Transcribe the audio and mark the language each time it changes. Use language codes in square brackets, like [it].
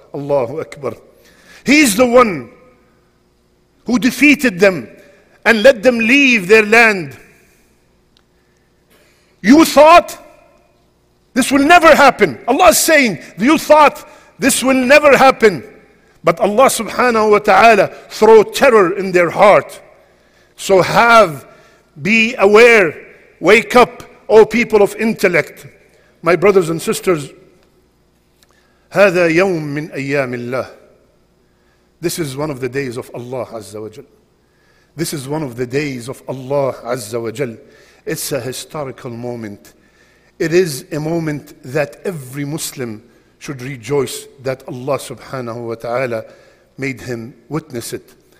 [ar] الله أكبر. [en] He is the one who defeated them and let them leave their land. You thought this will never happen. Allah is saying, you thought this will never happen. But Allah subhanahu wa ta'ala throw terror in their heart. So be aware, wake up, O people of intellect. My brothers and sisters, [ar] هذا يوم من أيام الله. [en] This is one of the days of Allah Azza wa Jal. This is one of the days of Allah Azza wa Jal. It's a historical moment. It is a moment that every Muslim should rejoice that Allah subhanahu wa ta'ala made him witness it.